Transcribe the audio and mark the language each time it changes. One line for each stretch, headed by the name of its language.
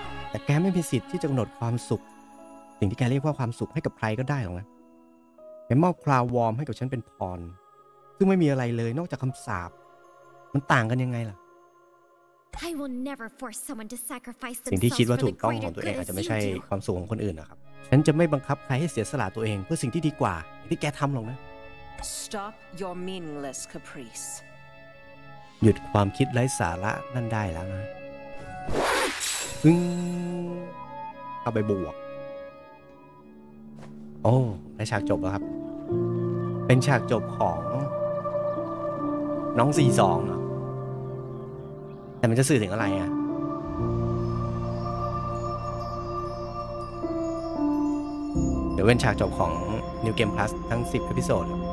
Thai: แต่แกไม่มีสิทธิ์ที่จะกำหนดความสุขสิ่งที่แกเรียกว่าความสุขให้กับใครก็ได้หรอกนะแกมอบคลาววอร์มให้กับฉันเป็นพรซึ่งไม่มีอะไรเลยนอกจากคำสาปมันต่างกันยังไงล่ะ
English: I will never force someone to sacrifice themselves for the greater good.
Thai: อาจจะไม่ใช่ความสุขของคนอื่นนะครับฉันจะไม่บังคับใครให้เสียสละตัวเองเพื่อสิ่งที่ดีกว่าที่แกทำหรอกนะ
English: Stop your meaningless caprice.
Thai: หยุดความคิดไร้สาระนั่นได้แล้วนะอึ้งเอาไปบวกโอ้ได้ฉากจบแล้วครับเป็นฉากจบของน้อง42แต่มันจะสื่อถึงอะไรอ่ะเดี๋ยวเป็นฉากจบของ New Game Plus ทั้ง10 episode